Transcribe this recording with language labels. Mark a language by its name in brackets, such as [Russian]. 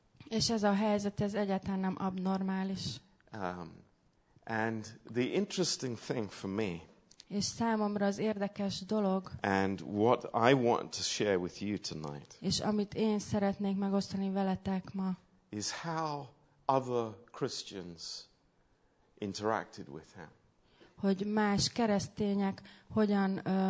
[Hungarian] És ez a helyzet, ez egyáltalán nem abnormális. [English] And the interesting thing for me. [Hungarian] És számomra az érdekes dolog. [English] And what I want to share with you tonight. [Hungarian] És amit én szeretnék megosztani veletek ma. [English] Is how other Christians interacted with him. [Hungarian] Hogy más keresztények hogyan